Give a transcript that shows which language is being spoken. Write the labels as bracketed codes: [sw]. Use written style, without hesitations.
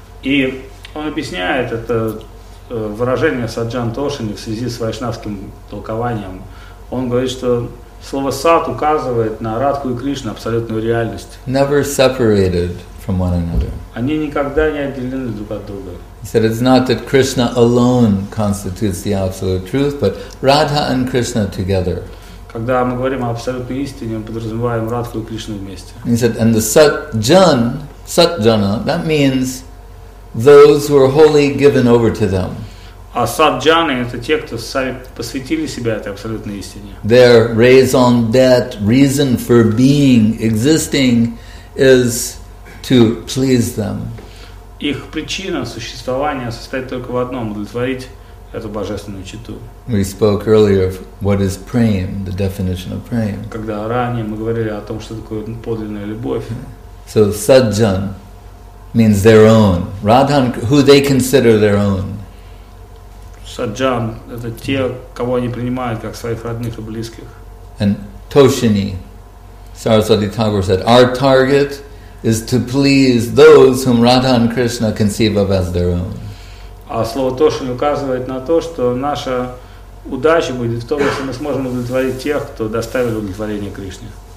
[ru] И он объясняет это выражение Саджан Тошини в связи с вайшнавским толкованием. Он говорит, что слово сат указывает на Радху и Кришну, абсолютную реальность. [en] Never separated from one another. [ru] Они никогда не отделены друг от друга. [en] He said it's not that Krishna alone constitutes the absolute truth, but Radha and Krishna together. [ru] Когда мы говорим о абсолютной истине, мы подразумеваем Радху и Кришну вместе. [en] He said, and the Satjan, Satjana, that means those who are wholly given over to them. [ru] А саджаны – это те, кто сами посвятили себя этой абсолютной истине. [en] Their raison d'être, reason for being, existing, is to please them. [ru] Их причина существования состоит только в одном – удовлетворить эту божественную читу. [en] We spoke earlier of what is prem, the definition of prem. [ru] Когда ранее мы говорили о том, что такое подлинная любовь. [en] So sadjan means their own. Radhan, who they consider their own. [ru] Саджан — это те, кого они принимают как своих родных и близких. [en] And Toshini, Saraswati Thakur said, our target is to please those whom Radha and Krishna conceive of as their own. [ru] А слово Toshini указывает на то, что наша удача будет в том, если мы сможем удовлетворить тех, кто доставил удовлетворение Кришне.